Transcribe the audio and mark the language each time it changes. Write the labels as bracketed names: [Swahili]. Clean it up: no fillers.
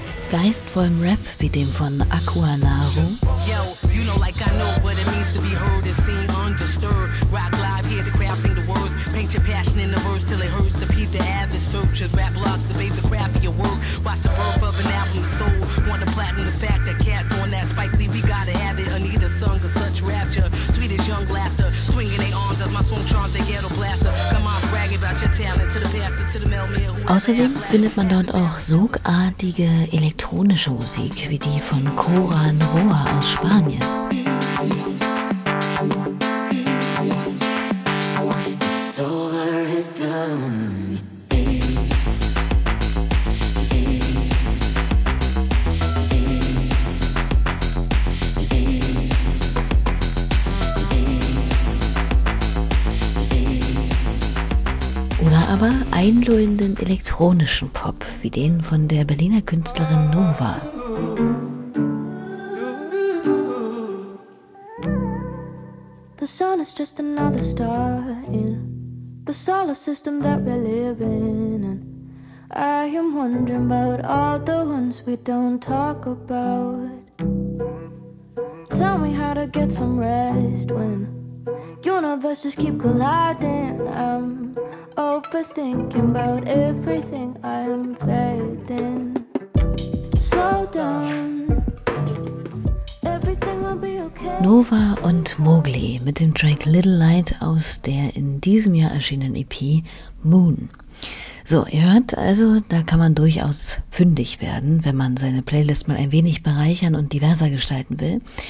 [German] Geistvollem Rap wie dem von Aqua Naro. [English] Yo, you know like I know what it means to be heard and seen undisturbed. Rock live, hear the crowd sing the words. Paint your passion in the verse till it hurts to peep the avid searchers. Rap blogs debate the craft of your work. Watch the birth of an album sold. Want to platinum the fact that cats on that Spike Lee, we gotta have it. Anita sung of such rapture. Sweetest young laughter. Swinging they arms as my song charms they ghetto blaster. Come on, brag about your talent to the pastor, to the mailman. [German] Außerdem findet man dort auch sogartige elektronische Musik, wie die von Coran Roa aus Spanien. Aber einlullenden elektronischen Pop, wie den von der Berliner Künstlerin Nova. [English] The sun is just another star in the solar system that we live in. And I am wondering about all the ones we don't talk about. Tell me how to get some rest when universes keep colliding. I'm overthinking about everything I'm fading. Slow down. Everything will be okay. [German] Nova und Mowgli mit dem Track Little Light aus der in diesem Jahr erschienenen EP Moon. So, ihr hört also, da kann man durchaus fündig werden, wenn man seine Playlist mal ein wenig bereichern und diverser gestalten will.